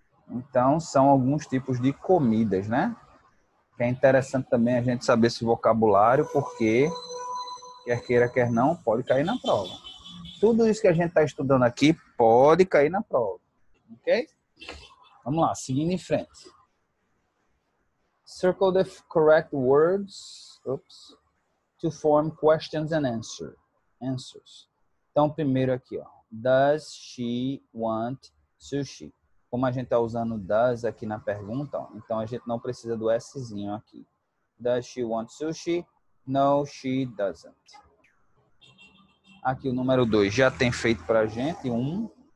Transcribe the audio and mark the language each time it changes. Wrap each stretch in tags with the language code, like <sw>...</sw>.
<pt>Então, são alguns tipos de comidas, né? Que é interessante também a gente saber esse vocabulário, porque, quer queira, quer não, pode cair na prova. Tudo isso que a gente está estudando aqui pode cair na prova. Ok? Vamos lá, seguindo em frente.</pt> <en>Circle the correct words, oops, to form questions and answers.</en> <pt>Então, primeiro aqui, ó.</pt> <en>Does she want sushi?</en> <pt>Como a gente está usando does aqui na pergunta, ó, então a gente não precisa do szinho aqui.</pt> <en>Does she want sushi? No, she doesn't.</en> <pt>Aqui o número 2 já tem feito para a gente. Um.</pt>